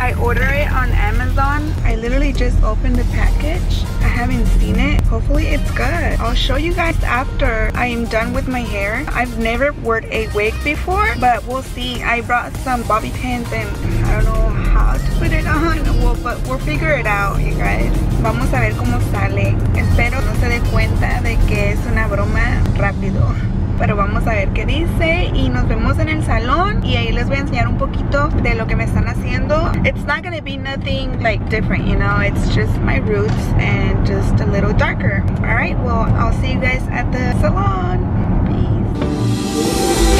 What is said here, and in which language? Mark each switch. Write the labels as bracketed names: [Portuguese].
[English] I order it on Amazon. I literally just opened the package. I haven't seen it. Hopefully it's good. I'll show you guys after I am done with my hair. I've never worn a wig before, but we'll see. I brought some bobby pins and I don't know how to put it on. Well, but we'll figure it out, you guys. [Spanish] Vamos a ver cómo sale. Espero no se dé cuenta de que es una broma rápido. Pero vamos a ver qué dice y nos vemos en el salón y ahí les voy a enseñar un poquito de lo que me están haciendo. [English] It's not gonna be nothing like different, you know, it's just my roots and just a little darker. All right, well, I'll see you guys at the salon. Peace.